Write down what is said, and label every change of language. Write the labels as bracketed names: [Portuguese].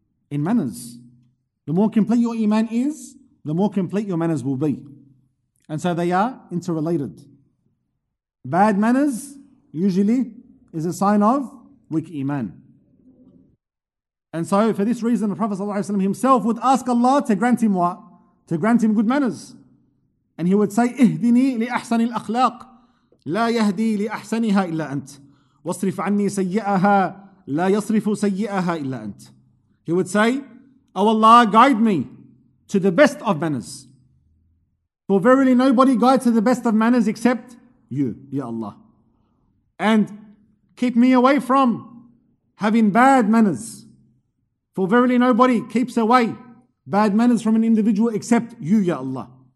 [English] In manners. The more complete your iman is, the more complete your manners will be. And so they are interrelated. Bad manners usually is a sign of weak iman. And so for this reason, the Prophet sallallahu alaihi wasallam himself would ask Allah to grant him what? To grant him good manners. And he would say, [Arabic] اهدني لأحسن الأخلاق لا يهدي لأحسنها إلا أنت واصرف عني سيئها لا يصرف سيئها إلا أنت. [English] He would say, oh Allah, guide me to the best of manners. For verily nobody guides to the best of manners except you, Ya Allah. And keep me away from having bad manners. For verily nobody keeps away bad manners from an individual except you, Ya Allah.